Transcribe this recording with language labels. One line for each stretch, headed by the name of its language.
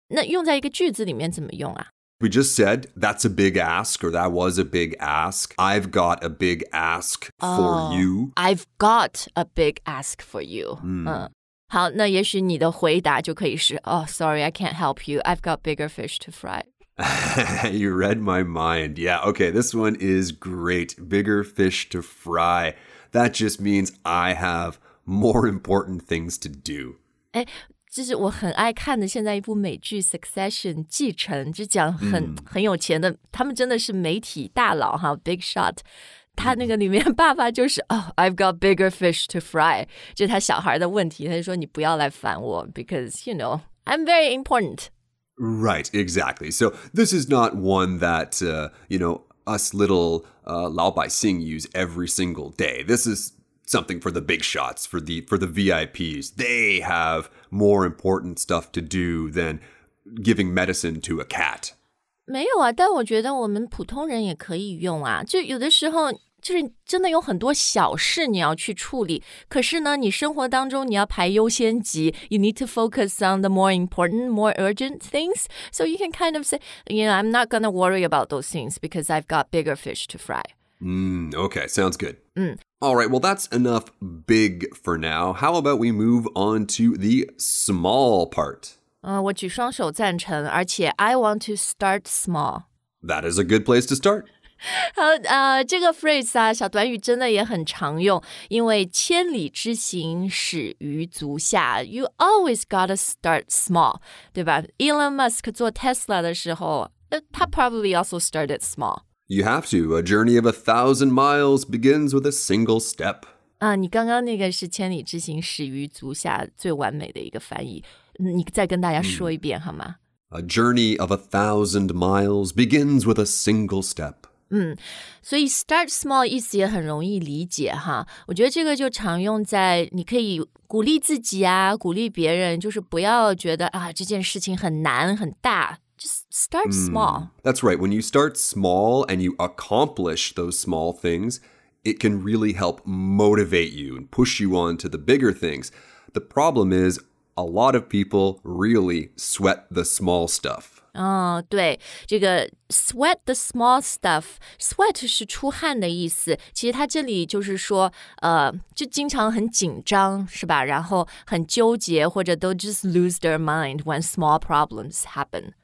Chinese: 那用在一个句子里面怎么用啊？
English: We just said, that's a big ask, or that was a big ask. I've got a big ask for you. I've got a big ask for you.
Chinese: 好，那也许你的回答就可以是
English: Oh, sorry, I can't help you. I've got bigger fish to fry. You read my mind. Yeah, okay, this one is great. Bigger fish to fry. That just means I have more important things to do.
Chinese: 就是我很爱看的现在一部美剧 Succession, 继承，就讲很有钱的，他们真的是媒体大佬哈 ,big shot。他那个里面爸爸就是
English: Oh, I've got bigger fish to fry.
Chinese: 就他小孩的问题，他就说你不要来烦我
English: because, you know, I'm very important. Right, exactly. So this is not one that, you know, us little Lao Bai Xing use every single day. This is something for the big shots, for the VIPs. They have more important stuff to do than giving medicine to a cat.
Chinese: 没有啊，但我觉得我们普通人也可以用啊。就有的时候，就是真的有很多小事你要去处理。可是呢，你生活当中你要排优先级
English: ，you need to focus on the more important, more urgent things. So you can kind of say, you know, I'm not gonna worry about those things because I've got bigger fish to fry. Okay, sounds good. All right, well, that's enough big for now. How about we move on to the small part?
Chinese: 我举双手赞成，而且
English: I want to start small. That is a good place to start.
Chinese: 好，这个 phrase 啊，小短语真的也很常用，因为千里之行，始于足下。
English: You always gotta start small,
Chinese: 对吧？
English: Elon Musk 做 Tesla 的时候，他 probably also started small. You have to. A journey of 1,000 miles begins with a single step.
Chinese: 啊，你刚刚那个是千里之行，始于足下，最完美的一个翻译。你再跟大家说一遍好吗？
English: A journey of 1,000 miles begins with a single step.
Chinese: 所以 start small 意思也很容易理解哈。我觉得这个就常用在你可以鼓励自己啊，鼓励别人，就是不要觉得啊这件事情很难很大。
English: Just start small. That's right. When you start small and you accomplish those small things, it can really help motivate you and push you on to the bigger things. The problem is a lot of people really sweat the small stuff.
Chinese: 哦，对，这个 sweat the small stuff, sweat 是出汗的意思，其实它这里就是说就经常很紧张是吧，然后很纠结，或者都
English: just lose their mind when small problems happen.